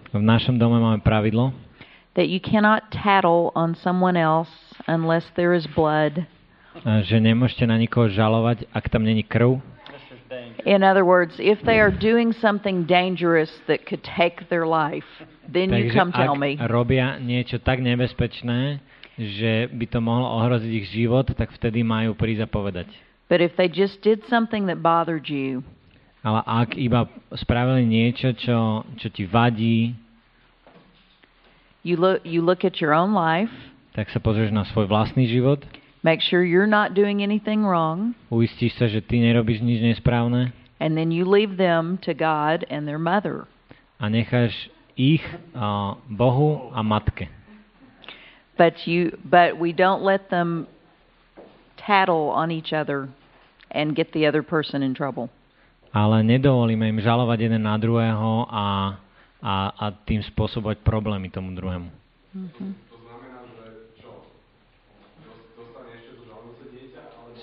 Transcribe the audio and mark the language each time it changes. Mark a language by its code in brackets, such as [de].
[sk] V našom dome máme pravidlo. [en] That you cannot tattle on someone else unless there is blood. [sk] Že nemôžete na nikoho žalovať, ak tam není krv. [en] In other words, if they are doing something dangerous that could take their life, then [sk] takže [en] you come tell me. [sk] Takže ak robia niečo tak nebezpečné, že by to mohlo ohroziť ich život, tak vtedy majú prísť a povedať. [en] But if they just did something that bothered you. [sk] Ale ak iba spravili niečo, čo ti vadí. [en] You look at your own life. [sk] Tak sa pozrieš na svoj vlastný život. [en] Make sure you're not doing anything wrong. [sk] Uistíš sa, že ty nerobíš nič nesprávne. [en] And then you leave them to God and their mother. [sk] A necháš ich Bohu a matke. [en] But we don't let them tattle on each other and get the other person in trouble. [sk] Ale nedovolíme im žalovať jeden na druhého a tým spôsobovať problémy tomu druhému. To znamená, že čo? Dostane ešte to žalúce dieťa, alebo